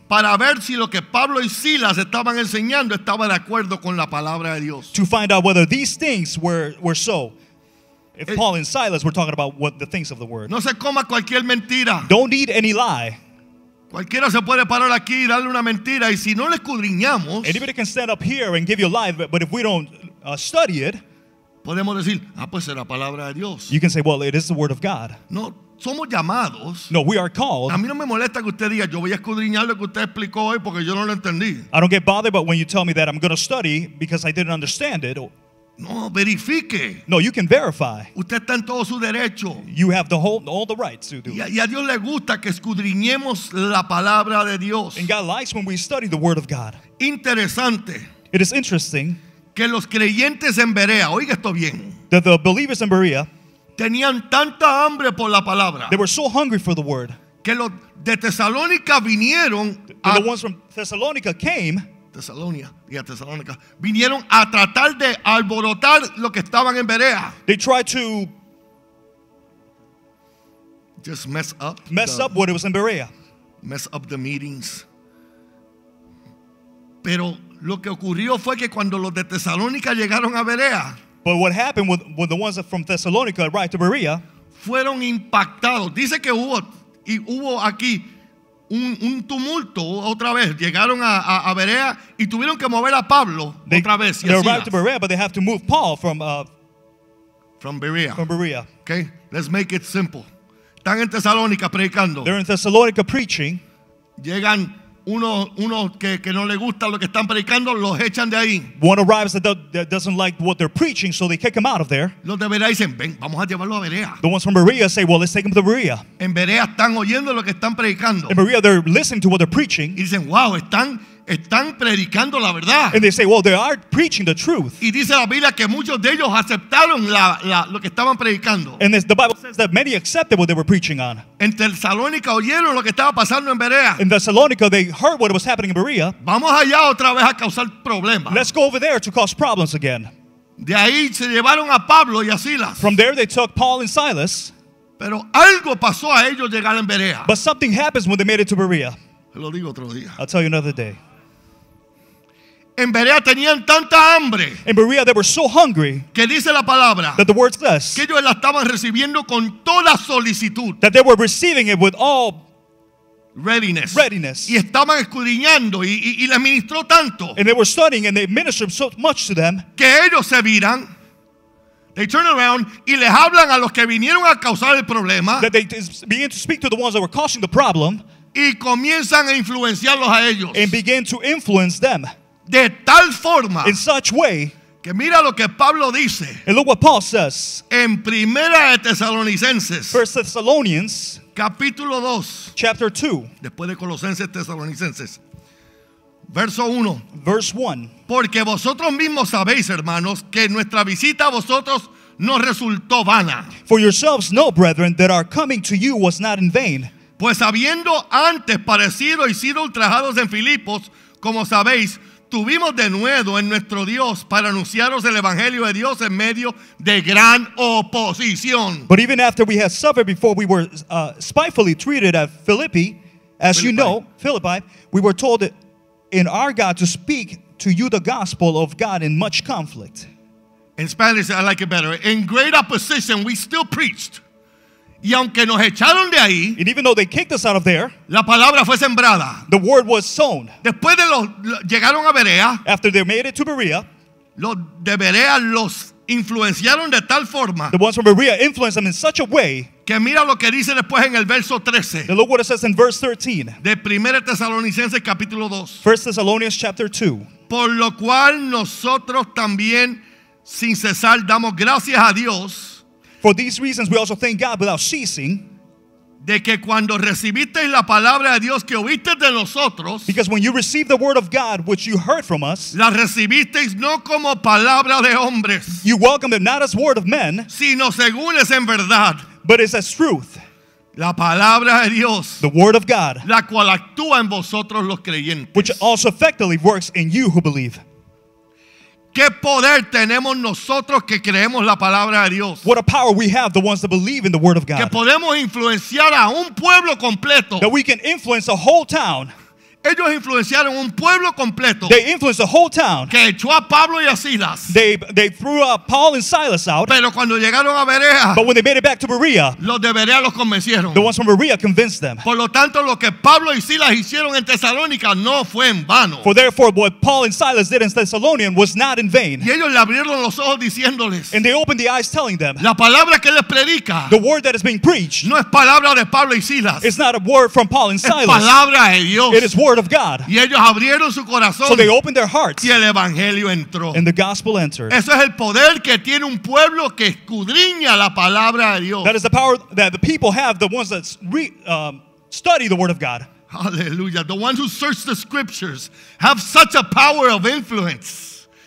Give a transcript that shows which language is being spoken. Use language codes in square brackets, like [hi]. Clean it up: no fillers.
[es] Para ver si lo que Pablo y Silas estaban enseñando estaba de acuerdo con la palabra de Dios. [en] To find out whether these things were so. If Paul and Silas were talking about what the things of the word. [es] No se coma cualquier mentira. [en] Don't eat any lie. [es] Cualquiera se puede parar aquí y darle una mentira, y si no le escudriñamos. [en] Anybody can stand up here and give you a lie, but if we don't study it. [es] Podemos decir, ah, pues será palabra de Dios. [en] You can say, well, it is the word of God. [es] No, somos llamados. [en] No, we are called. [es] A mí no me molesta que usted diga, yo voy a escudriñar lo que usted explicó hoy porque yo no lo entendí. [en] I don't get bothered, but when you tell me that I'm going to study because I didn't understand it. [es] No, verifique. [en] No, you can verify. [es] Usted está en todo su derecho. [en] You have all the rights to do. [es] Y a Dios le gusta que escudriñemos la palabra de Dios. [en] And God likes when we study the word of God. [es] Interesante. [en] It is interesting. [es] Que los creyentes en Berea, oiga esto bien. [en] That the believers in Berea. [es] Tenían tanta hambre por la palabra. [en] They were so hungry for the word. [es] Que los de Tesalónica vinieron. [en] The ones from Thessalonica came. [es] Tesalónica. Vinieron a tratar de alborotar lo que estaban en Berea. [en] They tried to just mess up. Mess up what it was in Berea. Mess up the meetings. [es] Pero lo que ocurrió fue que cuando los de Tesalónica llegaron a Berea, [en] but what happened with the ones from Thessalonica arrived to Berea, [es] fueron impactados. Dice que hubo aquí un tumulto otra vez. Llegaron a Berea y tuvieron que mover a Pablo otra vez. [en] They arrived to Berea, but they have to move Paul from Berea. From Berea. Okay, let's make it simple. [es] Están en Tesalónica predicando. [en] They're in Thessalonica preaching. [es] Llegan uno que no le gusta lo que están predicando, los echan de ahí. [en] One arrives that doesn't like what they're preaching, so they kick him out of there. [es] Los de Berea dicen, ven, vamos a llevarlo a Berea. [en] The ones from Berea say, well, let's take him to Berea. [es] En Berea están oyendo lo que están predicando. [en] In Berea, they're listening to what they're preaching. [es] Y dicen, wow, están predicando la verdad. [en] And they say, well, they are preaching the truth. [es] Y dice la Biblia que muchos de ellos aceptaron lo que estaban predicando. [en] And the Bible says that many accepted what they were preaching on. [es] En Tesalónica oyeron lo que estaba pasando en Berea. [en] In Thessalonica, they heard what was happening in Berea. [es] Vamos allá otra vez a causar problemas. [en] Let's go over there to cause problems again. [es] De ahí se llevaron a Pablo y a Silas. [en] From there, they took Paul and Silas. [es] Pero algo pasó a ellos llegar en Berea. [en] But something happens when they made it to Berea. [es] Lo digo otro día. [en] I'll tell you another day. [es] En Berea tenían tanta hambre. [en] In Berea, they were so hungry. [es] Que dice la palabra. [en] That the word says. [es] Que ellos la estaban recibiendo con toda solicitud. [en] That they were receiving it with all readiness. [es] Y estaban escudriñando y les ministró tanto. [en] And they were studying and they ministered so much to them. [es] Que ellos se viran. [en] They turn around [es] y les hablan a los que vinieron a causar el problema. [en] That they begin to speak to the ones that were causing the problem. [es] Y comienzan a influenciarlos a ellos. [en] And begin to influence them. [es] De tal forma, [en] in such way, [es] que mira lo que Pablo dice. [en] And look what Paul says. [es] En Primera de Tesalonicenses, [en] First Thessalonians, [es] capítulo 2, [en] chapter 2, [es] después de Colosenses, Tesalonicenses, verso 1, [en] verse 1. [es] Porque vosotros mismos sabéis, hermanos, que nuestra visita a vosotros no resultó vana. [en] For yourselves know, brethren, that our coming to you was not in vain. [es] Pues habiendo antes parecido y sido ultrajados en Filipos, como sabéis, tuvimos de nuevo en nuestro Dios para anunciaros el evangelio de Dios en medio de gran oposición. [en] But even after we had suffered before we were spitefully treated at Philippi, as Philippi. You know, Philippi, we were told in our God to speak to you the gospel of God in much conflict. In Spanish, I like it better. In great opposition, we still preached. [es] Y aunque nos echaron de ahí, [en] and even though they kicked us out of there, [es] la palabra fue sembrada. [en] The word was sown. [es] Después de los llegaron a Berea, [en] after they made it to Berea, [es] los de Berea los influenciaron de tal forma, [en] the ones from Berea influenced them in such a way, [es] que mira lo que dice después en el verso 13, [en] and look what it says in verse 13, [es] de Primera Tesalonicenses capítulo 2, [en] First Thessalonians chapter 2, [es] por lo cual nosotros también sin cesar damos gracias a Dios. [en] For these reasons, we also thank God without ceasing. [es] De que cuando recibisteis la palabra de Dios que oísteis de nosotros, [en] because when you received the word of God which you heard from us, [es] la recibisteis no como palabra de hombres, [en] you welcomed it not as word of men, [es] sino según es en verdad, [en] but it's as truth. [es] La palabra de Dios, [en] the word of God, [es] la cual actúa en vosotros los creyentes, [en] which also effectively works in you who believe. [es] ¿Qué poder tenemos nosotros que creemos la palabra de Dios? [en] What a power we have, the ones that believe in the word of God. [es] Que podemos influenciar a un pueblo completo. [en] That we can influence a whole town. [es] Ellos influenciaron un pueblo completo. [en] They influenced a whole town. [es] Que echó a Pablo y a Silas. [en] They threw Paul and Silas out. [es] Pero cuando llegaron a Berea, [en] but when they made it back to Berea, [es] los de Berea los convencieron. [en] The ones from Berea convinced them. [es] Por lo tanto, lo que Pablo y Silas hicieron en Tesalónica no fue en vano. [en] For therefore, what Paul and Silas did in Thessalonians was not in vain. [es] Y ellos le abrieron los ojos diciéndoles, [en] and they opened the eyes telling them, [es] la palabra que les predica, [en] the word that is being preached, [es] no es palabra de Pablo y Silas. [en] It's not a word from Paul and Silas. [es] Es palabra de Dios. [en] It is word of God. [es] Y ellos abrieron su corazón, [en] so they opened their hearts, [es] y el evangelio entró, [en] and the gospel entered. [es] Eso es el poder que tiene un pueblo que escudriña la palabra de Dios. [en] That is the power that the people have, the ones that study the word of God. Hallelujah. The ones who search the scriptures have such a power of influence.